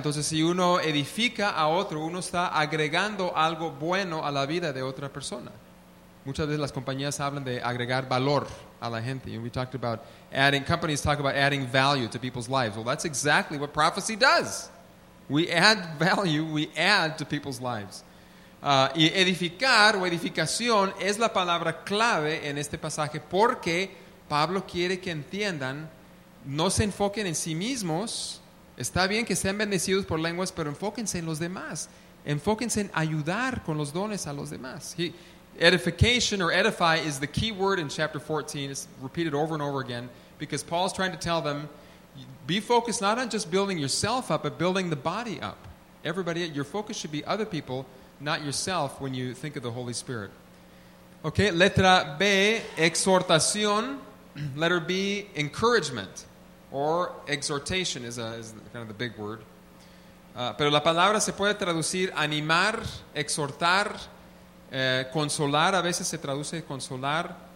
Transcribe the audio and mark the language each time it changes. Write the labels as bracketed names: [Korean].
[Spanish] Entonces, si uno edifica a otro, uno está agregando algo bueno a la vida de otra persona. Muchas veces las compañías hablan de agregar valor a la gente. [English] And we talked about adding, companies talk about adding value to people's lives. Well, that's exactly what prophecy does. We add value, we add to people's lives. [Spanish] Y edificar o edificación es la palabra clave en este pasaje porque Pablo quiere que entiendan, no se enfoquen en sí mismos. Está bien que sean bendecidos por lenguas, pero enfóquense en los demás. Enfóquense en ayudar con los dones a los demás. [English] Edification or edify is the key word in chapter 14. It's repeated over and over again because Paul's trying to tell them, be focused not on just building yourself up, but building the body up. Everybody, your focus should be other people, not yourself, when you think of the Holy Spirit. Okay, [Spanish] letra B, exhortación. [English] Letter B, encouragement. Or exhortation is kind of the big word. [Spanish] Pero la palabra se puede traducir animar, exhortar, consolar. A veces se traduce consolar.